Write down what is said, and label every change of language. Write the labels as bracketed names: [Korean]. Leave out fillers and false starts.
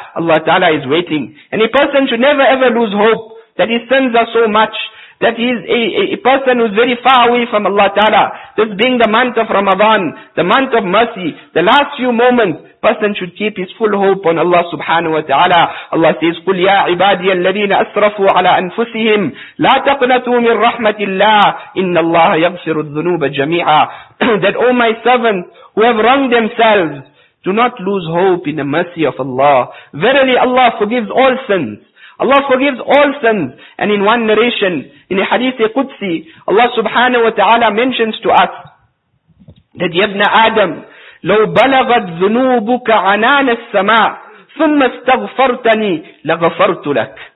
[English] Allah ta'ala is waiting. And a person should never ever lose hope that his sins are so much, that he is a person who is very far away from Allah Ta'ala. This being the month of Ramadan, the month of mercy, the last few moments, person should keep his full hope on Allah subhanahu wa ta'ala. Allah says, [Arabic] قُلْ يَا عِبَادِيَ الَّذِينَ أَسْرَفُوا عَلَىٰ أَنفُسِهِمْ لَا تَقْنَتُوا مِنْ رَحْمَةِ اللَّهِ إِنَّ اللَّهَ يَغْفِرُ الذُّنُوبَ جَمِيعًا. [English] That oh my servants who have wronged themselves, do not lose hope in the mercy of Allah. Verily Allah forgives all sins. Allah forgives all sins. And in one narration, in a hadith Qudsi, Allah subhanahu wa ta'ala mentions to us that [Arabic] Yabna Adam, لو بلغت ذنوبك عنان السماء ثم استغفرتني لغفرت لك.